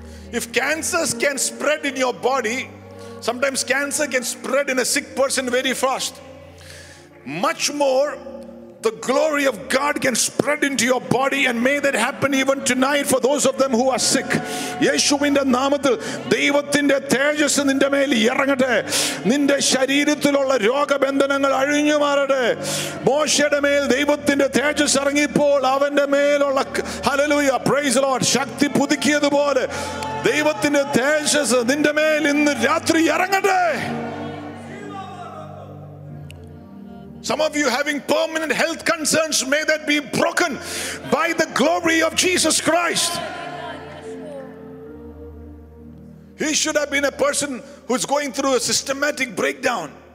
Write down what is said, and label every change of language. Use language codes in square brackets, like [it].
[en] If cancers can spread in your body, sometimes cancer can spread in a sick person very fast. Much more, the glory of God can spread into your body, and may that happen even tonight for those of them who are sick. [ml] യേശുവിന്റെ നാമത്തിൽ ദൈവത്തിന്റെ തേജസ് നിന്റെ മേൽ ഇറങ്ങട്ടെ. നിന്റെ ശരീരത്തിലുള്ള രോഗബന്ധനങ്ങൾ അഴിഞ്ഞു മാറട്ടെ. മോശയുടെ മേൽ ദൈവത്തിന്റെ തേജസ് ഇറങ്ങിയപ്പോൾ അവന്റെ മേലുള്ള ഹല്ലേലൂയ [en] praise Lord [ml] ശക്തി പുതുക്കിയതുപോലെ ദൈവത്തിന്റെ തേജസ് നിന്റെ മേൽ ഇന്ന് രാത്രി ഇറങ്ങട്ടെ. [en] Some of you having permanent health concerns, may that be broken by the glory of Jesus Christ. He should have been a person who's going through a systematic breakdown.